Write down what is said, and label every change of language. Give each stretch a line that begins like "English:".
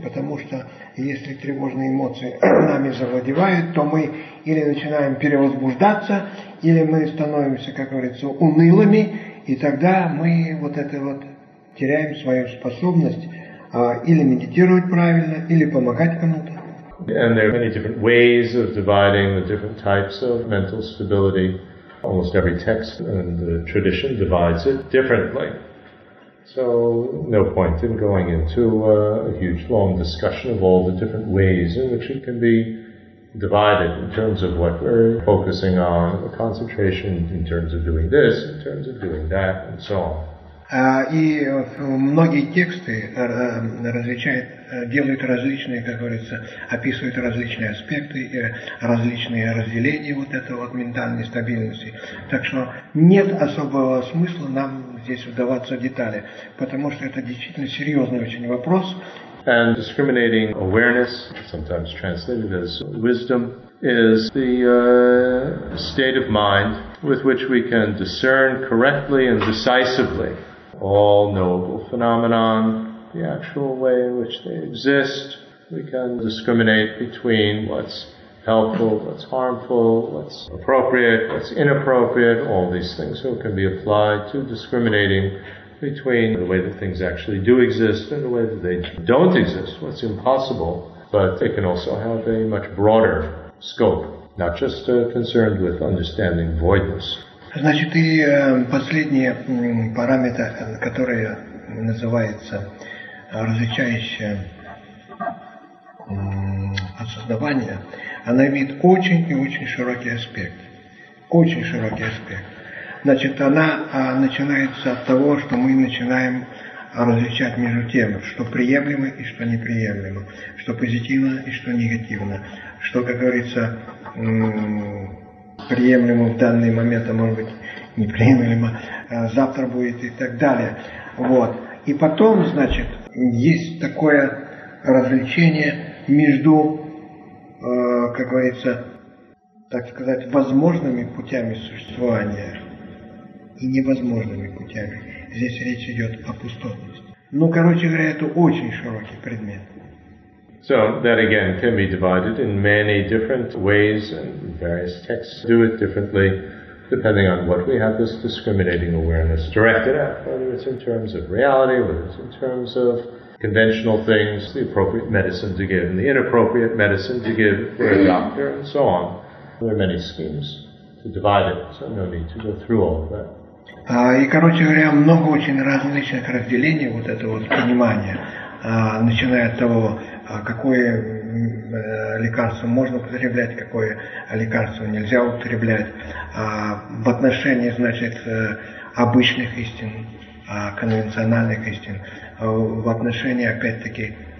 Russian: Потому что если тревожные эмоции нами завладевают, то мы или начинаем перевозбуждаться, или мы становимся, как говорится, унылыми, и тогда мы вот это вот теряем свою способность или медитировать правильно, или помогать кому-то.
English: And there are many different ways of dividing the different types of mental stability. Almost every text and tradition divides it differently. So no point in going into a huge long discussion of all the different ways in which it can be divided in terms of what we're focusing on, the concentration in terms of doing this, in terms of doing that, and so on.
Russian: И многие тексты различают, делают различные, как говорится, описывают различные аспекты, различные разделения вот этого вот ментальной стабильности. Так что нет особого смысла нам здесь вдаваться в детали, потому что это действительно серьезный очень вопрос. And discriminating awareness, sometimes translated as wisdom, is the state of mind with which we can discern correctly and decisively all knowable phenomenon, the actual way in which they exist. We can discriminate between what's helpful, what's harmful, what's appropriate, what's inappropriate, all these things. So it can be applied to discriminating between the way that things actually do exist and the way that they don't exist, what's impossible. But it can also have a much broader scope, not just concerned with understanding voidness. Значит, и последний параметр, который называется различающее осознавание, она имеет очень и очень широкий аспект. Очень широкий аспект. Значит, она начинается от того, что мы начинаем различать между тем, что приемлемо и что неприемлемо, что позитивно и что негативно, что, как говорится, приемлемо в данный момент, а может быть неприемлемо, завтра будет и так далее. Вот. И потом, значит, есть такое различение между, как говорится, так сказать, возможными путями существования и невозможными путями. Здесь речь идет о пустотности. Ну, короче говоря, это очень широкий предмет.
English: So that again can be divided in many different ways, and various texts do it differently, depending on what we have this discriminating awareness directed at, whether it's in terms of reality, whether it's in terms of conventional things, the appropriate medicine to give, and the inappropriate medicine to give for a doctor, and so on. There are many schemes to divide it, so no need to go through all of that.
Russian: И, короче говоря, много очень различных разделений вот этого понимания, начиная от того, какое лекарство можно употреблять, какое лекарство нельзя употреблять, в отношении, значит, обычных истин, конвенциональных истин, в отношении, опять-таки,